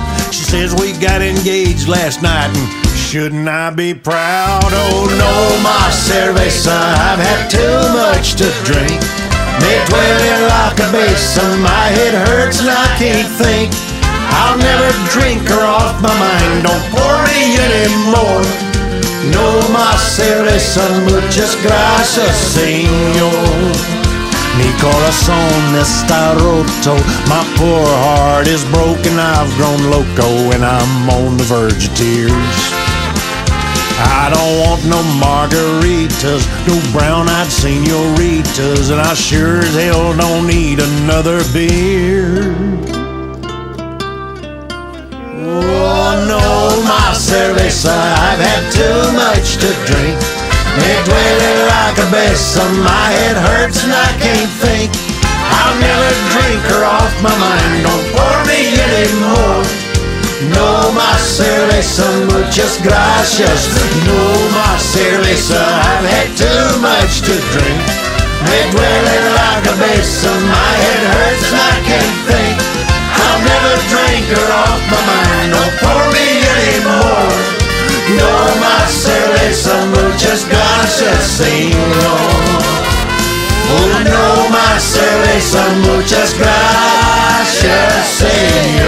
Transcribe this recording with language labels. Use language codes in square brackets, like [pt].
[en] She says we got engaged last night and shouldn't I be proud? Oh no, my cerveza, I've had too much to drink. [es] Me duele la cabeza, [en] my head hurts and I can't think. I'll never drink her off my mind, don't pour me anymore. [es] No, my cerveza, muchas gracias, señor. Mi corazón está roto, [en] my poor heart is broken. I've grown loco and I'm on the verge of tears. I don't want no margaritas, no brown-eyed señoritas, and I sure as hell don't need another beer. Oh no, my cerveza, I've had too much to drink. [es] Me duele la cabeza, [en] my head hurts and I can't think. I'll never drink her off my mind, don't pour me anymore. [es] No más cerveza, muchas gracias. No más cerveza, [en] I've had too much to drink. [es] Me duele la cabeza, [en] my head hurts and I can't think. I'll never drink her off my mind, don't pour me anymore. [es] No más cerveza, muchas gracias, señor. Oh, no más cerveza, muchas gracias, señor.